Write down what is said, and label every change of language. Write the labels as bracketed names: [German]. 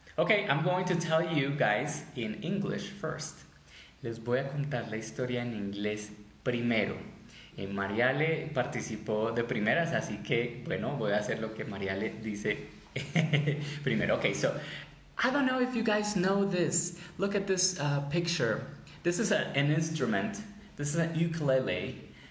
[English] Okay, I'm going to tell you guys in English first. [Spanish] Les voy a contar la historia en inglés primero. Mariale participó de primeras, así que, bueno, voy a hacer lo que Mariale dice primero. [English] Okay, so, I don't know if you guys know this. Look at this picture. This is an instrument. This is a ukulele.